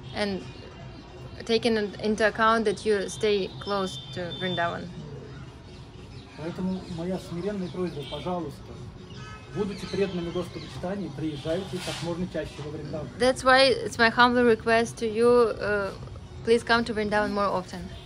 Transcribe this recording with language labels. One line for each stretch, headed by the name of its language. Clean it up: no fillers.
English: And taking into account that you stay close to Vrindavan.
Russian: Поэтому моя смиренная просьба, пожалуйста, будучи преданными Господу Читании, приезжайте как можно чаще во Вриндаван.
English: That's why it's my humble request to you, please come to Vriндаван more often.